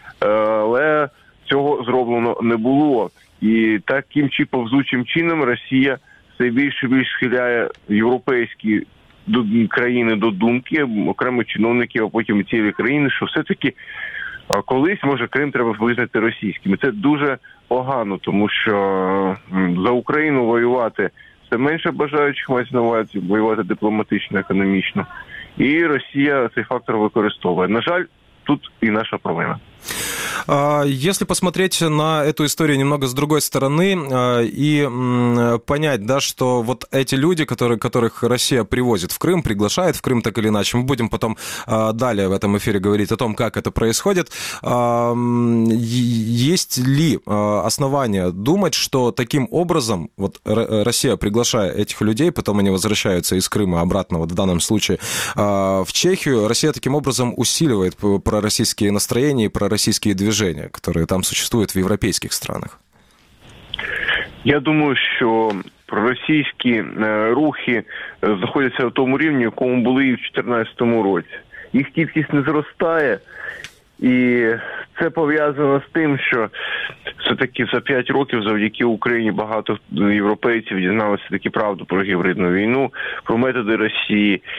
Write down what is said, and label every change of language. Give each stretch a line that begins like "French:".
Ukrainian: Але цього зроблено не було. І таким чи повзучим чином Росія все більше і більше схиляє європейські країни до думки, окремо чиновників, а потім цілі країни, що все-таки колись, може, Крим треба визнати російським. Це дуже погано, тому що за Україну воювати все менше бажаючих, мається на увазі, воювати дипломатично, економічно. І Росія цей фактор використовує. На жаль, тут і наша проблема.
Russian: Если посмотреть на эту историю немного с другой стороны и понять, да, что вот эти люди, которых Россия привозит в Крым, приглашает в Крым так или иначе, мы будем потом далее в этом эфире говорить о том, как это происходит, есть ли основания думать, что таким образом вот Россия, приглашая этих людей, потом они возвращаются из Крыма обратно, вот в данном случае, в Чехию, Россия таким образом усиливает пророссийские настроения и пророссийские движения, которые там существуют в европейских странах?
Ukrainian: Я думаю, що проросійські рухи знаходяться на тому рівні, якому були і в 2014 році. Їх кількість не зростає, І це пов'язано з тим, що все-таки за 5 років завдяки Україні багато європейців дізналися таки правду про гібридну війну, про методи Росії.